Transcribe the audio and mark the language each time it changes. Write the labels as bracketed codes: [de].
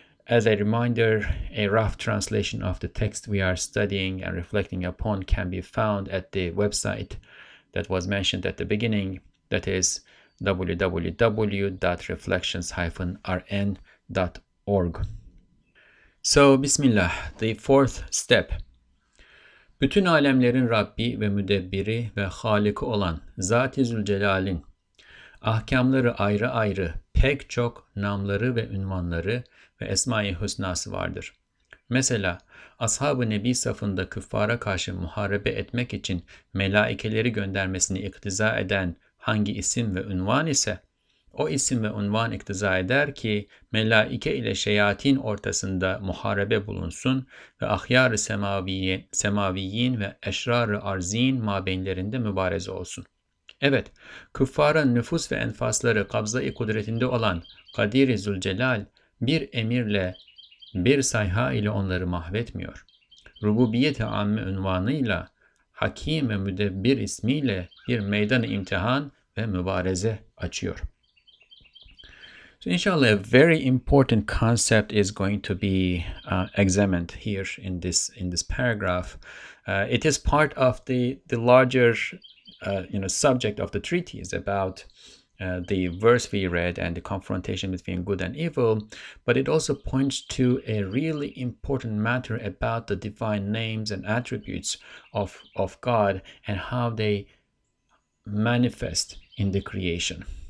[en] As a reminder, a rough translation of the text we are studying and reflecting upon can be found at the website that was mentioned at the beginning, that is www.reflections-rn.org. So, Bismillah, the fourth step. [tr] Bütün alemlerin Rabbi ve müdebbiri ve Haliki olan Zat-ı Zülcelal'in ahkamları ayrı ayrı pek çok namları ve ünvanları ve Esma-i Hüsna'sı vardır. Mesela Ashab-ı Nebi safında küffara karşı muharebe etmek için melaikeleri göndermesini iktiza eden hangi isim ve unvan ise, o isim ve unvan iktiza eder ki melaike ile şeyatin ortasında muharebe bulunsun ve ahyar-ı semaviyin ve eşrar-ı arziyin mabeynlerinde mübareze olsun. Evet, küffarın nüfus ve enfasları kabza-i kudretinde olan Kadir-i Zülcelal, bir emirle, bir sayha ile onları mahvetmiyor. Rububiyet-i amme unvanıyla, hakim ve müdebbir ismiyle bir meydan-ı imtihan ve mübareze açıyor. [en] Inshallah, a very important concept is going to be examined here in this paragraph. It is part of the larger subject of the treatise about the verse we read and the confrontation between good and evil, but it also points to a really important matter about the divine names and attributes of God and how they manifest in the creation.